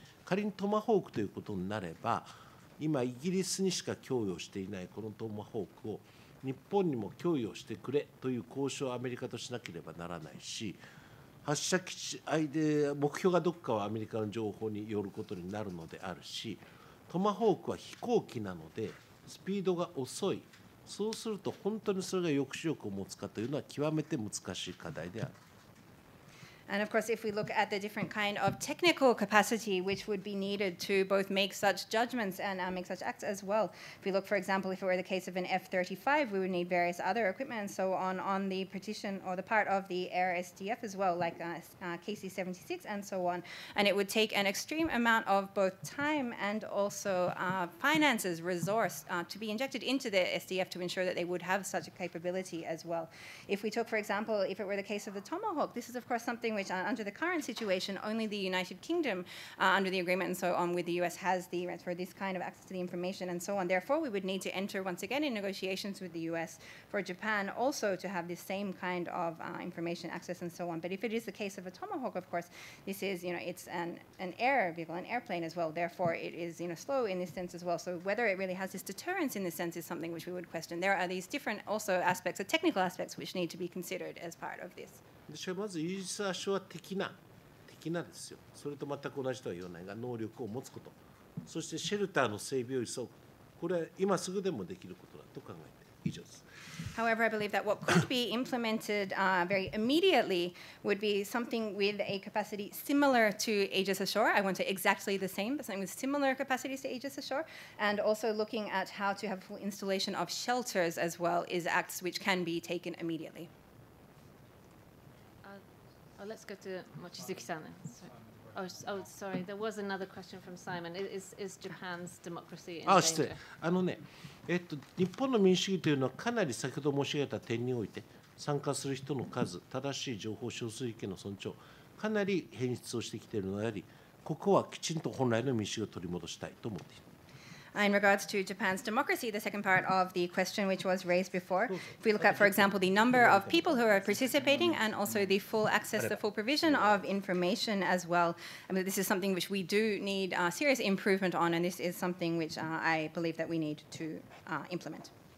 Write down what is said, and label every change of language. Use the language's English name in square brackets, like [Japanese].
[Japanese] 仮にトマホークということになれば、今、イギリスにしか供与していないこのトマホークを日本にも供与してくれという交渉をアメリカとしなければならないし、発射基地相手目標がどこかはアメリカの情報によることになるのであるし、トマホークは飛行機なのでスピードが遅い。そうすると本当にそれが抑止力を持つかというのは極めて難しい課題である。 [English] And of course, if we look at the different kind of technical capacity which would be needed to both make such judgments and make such acts as well. If we look, for example, if it were the case of an F-35, we would need various other equipment and so on the partition or the part of the air SDF as well, like KC-76 and so on. And it would take an extreme amount of both time and also finances, resource to be injected into the SDF to ensure that they would have such a capability as well. If we took, for example, if it were the case of the Tomahawk, this is, of course, something which under the current situation only the United Kingdom under the agreement and so on with the US has the rights for this kind of access to the information and so on. Therefore, we would need to enter once again in negotiations with the US for Japan also to have this same kind of information access and so on. But if it is the case of a Tomahawk, of course, this is, you know, it's an air vehicle, an airplane as well. Therefore, it is, you know, slow in this sense as well. So whether it really has this deterrence in this sense is something which we would question. There are these different also aspects, the technical aspects, which need to be considered as part of this. [Japanese] でしかもまずイージス・アショは的なですよ。それと全く同じとは言わないが、能力を持つこと、そしてシェルターの整備を急ぐ、これは今すぐでもできることだと考えて、以上です。 [English] However, I believe that what could be implemented very immediately would be something with a capacity similar to Aegis Ashore. I won't say exactly the same, but something with similar capacities to Aegis Ashore. And also looking at how to have full installation of shelters as well is acts which can be taken immediately. Let's go to Mochizuki-san. Sorry, there was another question from Simon. Is Japan's democracy in danger? [Japanese] 失礼。あのね、日本の民主主義というのはかなり先ほど申し上げた点において参加する人の数、正しい情報、少数意見の尊重、かなり変質をしてきているのであり、ここはきちんと本来の民主主義を取り戻したいと思っている。 [English] In regards to Japan's democracy, the second part of the question which was raised before, if we look at, for example, the number of people who are participating and also the full access, the full provision of information as well, I mean, this is something which we do need serious improvement on, and this is something which I believe that we need to implement.